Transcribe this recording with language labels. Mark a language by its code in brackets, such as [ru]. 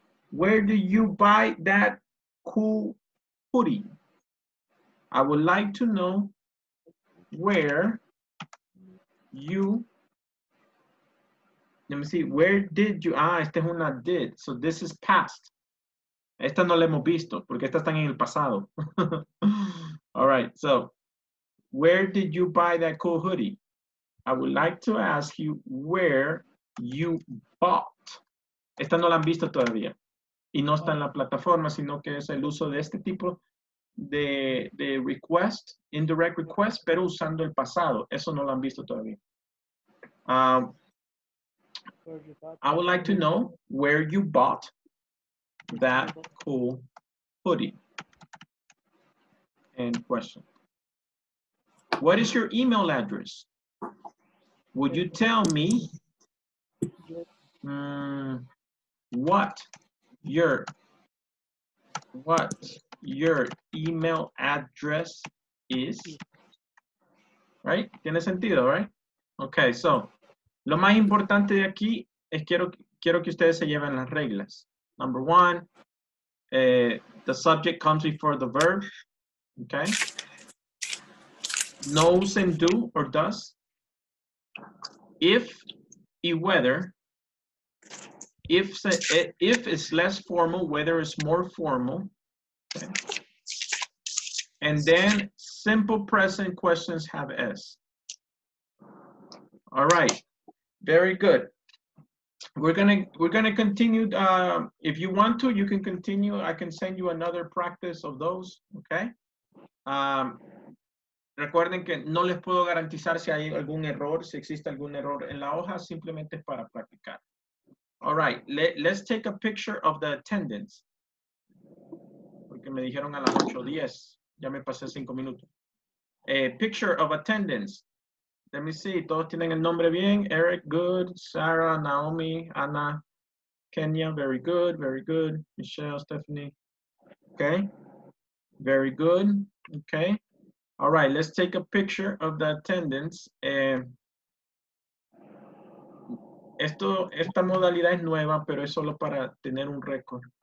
[en] Where do you buy that cool hoodie? I would like to know where you, let me see, where did you, [es] esta es una [en] did, so this is past. [es] Esta no la hemos visto, porque estas están en el pasado. [en] All right, so, where did you buy that cool hoodie? I would like to ask you where you bought. [es] Esta no la han visto todavía. Y no está en la plataforma, sino que es el uso de este tipo de request, indirect request, pero usando el pasado. Eso no lo han visto todavía. [en] I would like to know where you bought that cool hoodie. And question. What is your email address? Would you tell me what your email address is? Right? [es] Tiene sentido, [en] right? [es] Okay, so lo más importante de aquí es quiero que ustedes se lleven las reglas. [en] Number one, the subject comes before the verb. Okay. [es] No usen do or does. If y whether. [en] If is less formal, whether is more formal. Okay. And then simple present questions have S. All right, very good. We're gonna continue. If you want to, you can continue. I can send you another practice of those, okay? [es] Recuerden que no les puedo garantizar si hay algún error, si existe algún error en la hoja, simplemente para practicar. [en] All right, let's take a picture of the attendance. [es] Porque me dijeron a las 8:10. Ya me pasé 5 minutos. [en] Picture of attendance. Let me see. [es] Todos tienen el nombre bien. [en] Eric, good. Sarah, Naomi, Anna, Kenya, very good, very good. Michelle, Stephanie. Okay. Very good. Okay. All right, let's take a picture of the attendance. [es] Esta modalidad es nueva, pero es solo para tener un récord.